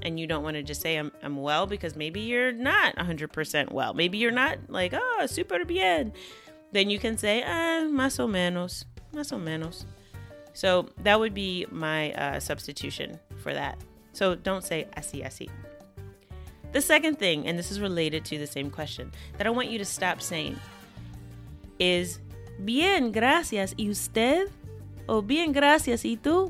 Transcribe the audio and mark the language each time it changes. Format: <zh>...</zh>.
<en>And you don't want to just say, I'm well, because maybe you're not 100% well. Maybe you're not like, oh,</en> <es>super bien.</es> <en>Then you can say,</en> <es>más o menos, más o menos.</es> <en>So that would be my substitution for that. So don't say</en> <es>así, así.</es> <en>The second thing, and this is related to the same question, that I want you to stop saying is,</en> <es>bien, gracias, ¿y usted? Oh, bien, gracias, ¿y tú?</es>